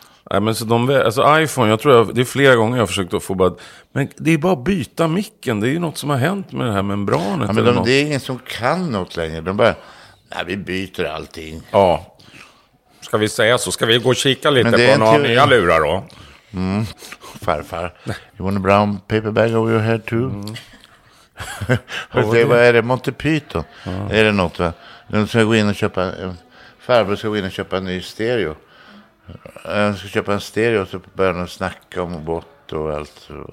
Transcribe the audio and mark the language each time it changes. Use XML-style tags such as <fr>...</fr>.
<sv>Nej, men så de, alltså iPhone, det är flera gånger jag har försökt att få bara, men det är bara att byta micken. Det är ju något som har hänt med det här membranet. Ja, men det är ingen som kan något längre. De bara, nej, vi byter allting. Ja. Ska vi säga så, ska vi gå och kika lite på några nya lurar då. Mm.</sv> <en>Farfar, you want a brown paper bag over your head too?</en> <sv>Mm. vad är det? Monty Python? Ja. Är det något, va? Farbror ska gå in och köpa en ny stereo. Han ska köpa en stereo och så börjar han snacka om bort och allt.</sv>